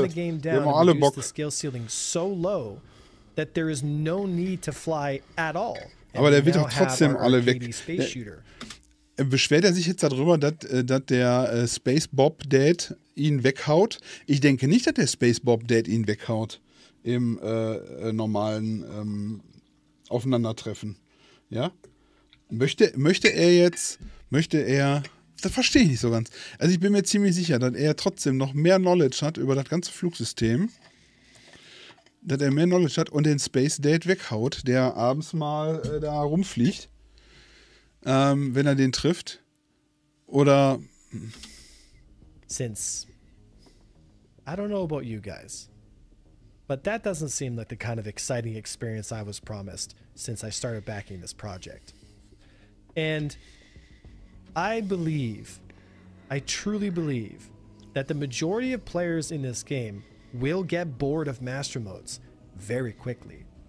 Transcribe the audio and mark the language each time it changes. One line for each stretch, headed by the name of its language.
English: Or we can dumb the game down and reduce the skill ceiling so low that there is no need to fly at all.
German: Aber der wird doch trotzdem alle weg. beschwert er sich jetzt darüber, dass der Space Bob Dad ihn weghaut? Ich denke nicht, dass der Space Bob Dad ihn weghaut im normalen Aufeinandertreffen. Ja? Möchte er jetzt? Das verstehe ich nicht so ganz. Also ich bin mir ziemlich sicher, dass er trotzdem noch mehr Knowledge hat über das ganze Flugsystem. Dass er mehr Knowledge hat und den Space Dad weghaut, der abends mal da rumfliegt, wenn er den trifft. Oder
English: since I don't know about you guys, but that doesn't seem like the kind of exciting experience I was promised since I started backing this project. And I believe, I truly believe, that the majority of players in this game will get bored of Master Modes very quickly.